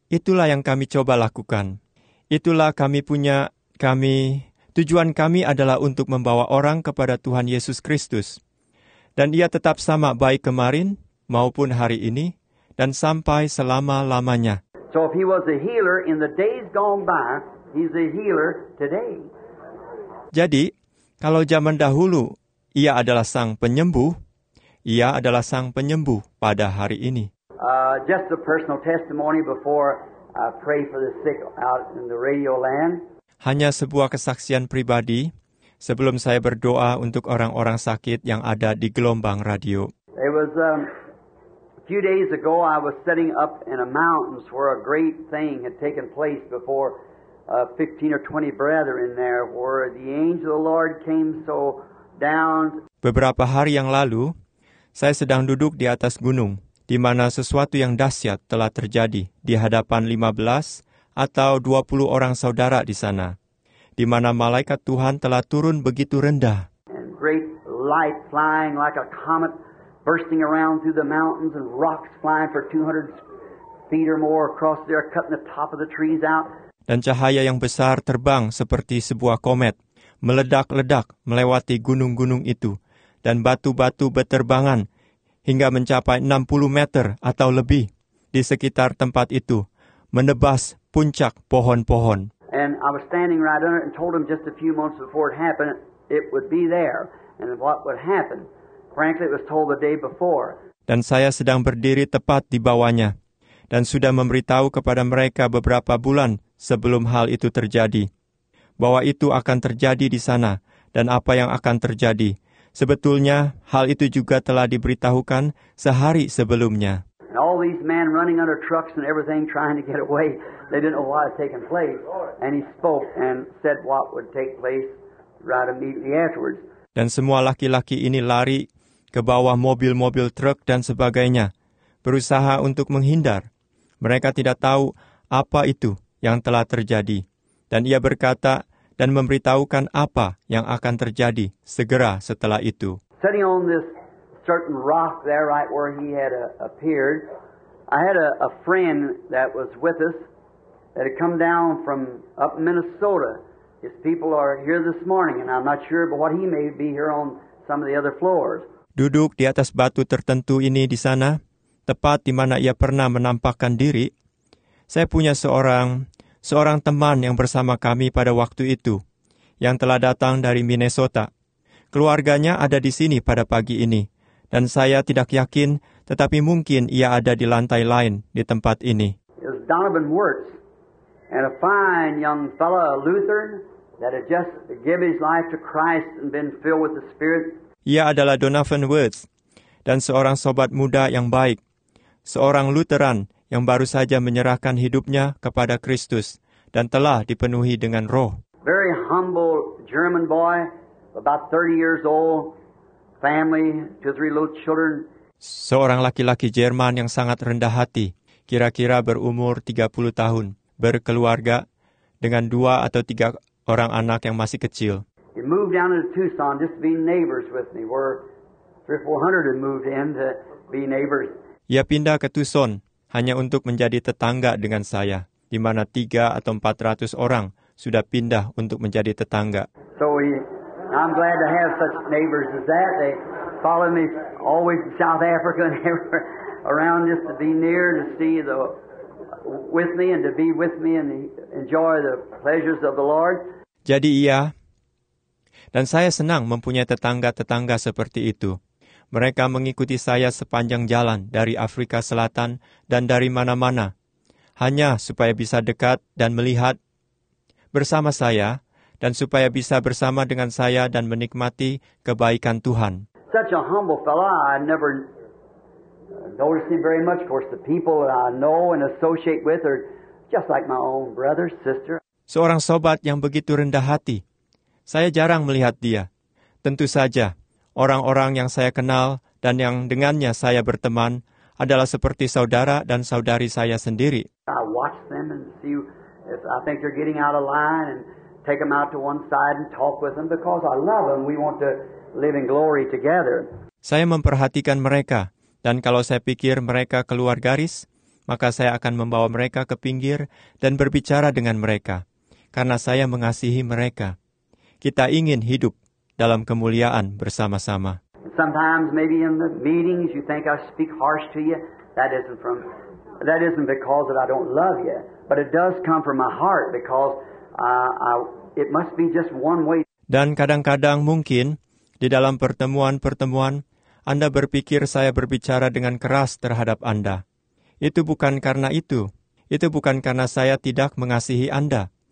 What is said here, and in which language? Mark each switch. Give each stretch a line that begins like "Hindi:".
Indonesian: Itulah yang kami coba lakukan. Itulah kami punya, kami, tujuan kami adalah untuk membawa orang kepada Tuhan Yesus Kristus. Dan ia tetap sama baik kemarin maupun hari ini dan sampai selama-lamanya.
English: So if he was a healer in the days gone by, he's a healer today.
Indonesian: Jadi, kalau zaman dahulu, ia adalah sang penyembuh, ia adalah sang penyembuh pada hari ini.
English: Just a personal testimony before I pray for the sick out in the radio land.
Indonesian: Hanya sebuah kesaksian pribadi sebelum saya berdoa untuk orang-orang sakit yang ada di gelombang radio.
English: It was a few days ago I was setting up in a mountains where a great thing had taken place before 15 or 20 brethren there where the angel of the Lord came so down.
Indonesian: Beberapa hari yang lalu, saya sedang duduk di atas gunung di mana sesuatu yang dahsyat telah terjadi di hadapan 15 atau 20 orang saudara di sana, di mana malaikat Tuhan telah turun begitu rendah.
English: And great light flying like a comet bursting around through the mountains and rocks flying for 200 feet or more across there cutting the top of the trees out.
Indonesian: Dan cahaya yang besar terbang seperti sebuah komet, meledak-ledak melewati gunung-gunung itu, dan batu-batu berterbangan hingga mencapai 60 meter atau lebih di sekitar tempat itu, menebas puncak pohon-pohon.
English: And I was standing right under it and told him just a few months before it happened, it would be there. And what would happen? Frankly, it was told the day before.
Indonesian: Dan saya sedang berdiri tepat di bawahnya, dan sudah memberitahu kepada mereka beberapa bulan sebelum hal itu terjadi, bahwa itu akan terjadi di sana, dan apa yang akan terjadi. Sebetulnya, hal itu juga telah diberitahukan sehari sebelumnya.
English: And all these men running under trucks and everything trying to get away, they didn't know what had taken place. And he spoke and said what would take place right immediately afterwards.
Indonesian: Dan semua laki-laki ini lari ke bawah mobil-mobil truk dan sebagainya, berusaha untuk menghindar. Mereka tidak tahu apa itu yang telah terjadi. Dan ia berkata dan memberitahukan apa yang akan terjadi segera setelah itu.
English: Sitting on this certain rock there right where he had appeared, I had a friend that was with us that had come down from up Minnesota. His people are here this morning and I'm not sure but what he may be here on some of the other floors.
Indonesian: Duduk di atas batu tertentu ini di sana, tepat di mana ia pernah menampakkan diri, saya punya seorang teman yang bersama kami pada waktu itu, yang telah datang dari Minnesota. Keluarganya ada di sini pada pagi ini, dan saya tidak yakin, tetapi mungkin ia ada di lantai lain di tempat ini.
English: It was Donovan Wirtz, and a fine young fellow, a Lutheran, that had just given his life to Christ and been filled with the Spirit.
Indonesian: Ia adalah Donovan Wirtz, dan seorang sobat muda yang baik, seorang Lutheran yang baru saja menyerahkan hidupnya kepada Kristus dan telah dipenuhi dengan Roh.
English: Very humble German boy, about 30 years old, family, two or three little children.
Indonesian: Seorang laki-laki Jerman yang sangat rendah hati, kira-kira berumur 30 tahun, berkeluarga dengan dua atau tiga orang anak yang masih kecil.
English: He moved down to Tucson just to be neighbors with me. We're 300-400 and moved in to be neighbors.
Indonesian: Ia pindah ke Tucson hanya untuk menjadi tetangga dengan saya, di mana 300 atau 400 orang sudah pindah untuk menjadi tetangga.
English: So I'm glad to have such neighbors as that. They follow me always to South Africa and around just to be near to see the with me and to be with me and enjoy the pleasures of the Lord.
Indonesian: Jadi ia dan saya senang mempunyai tetangga-tetangga seperti itu. Mereka mengikuti saya sepanjang jalan dari Afrika Selatan dan dari mana-mana, hanya supaya bisa dekat dan melihat bersama saya, dan supaya bisa bersama dengan saya dan menikmati kebaikan Tuhan.
English: Such a humble fellow, I never noticed him very much. Of course, the people that I know and associate with are just like my own brother, sister.
Indonesian: Seorang sobat yang begitu rendah hati. Saya jarang melihat dia. Tentu saja, orang-orang yang saya kenal dan yang dengannya saya berteman adalah seperti saudara dan saudari saya sendiri.
English: I watch them and see if I think they're getting out of line and take them out to one side and talk with them because I love them. We want to live in glory together.
Indonesian: Saya memperhatikan mereka dan kalau saya pikir mereka keluar garis, maka saya akan membawa mereka ke pinggir dan berbicara dengan mereka, karena saya mengasihi mereka. Kita ingin hidup dalam kemuliaan bersama-sama.
English: Sometimes maybe in the meetings you think I speak harsh to you. That isn't because that I don't love you, but it does come from my heart because it must be just one way.
Indonesian: Dan kadang-kadang mungkin di dalam pertemuan-pertemuan Anda berpikir saya berbicara dengan keras terhadap Anda. Itu bukan karena itu. Itu bukan karena saya tidak mengasihi Anda.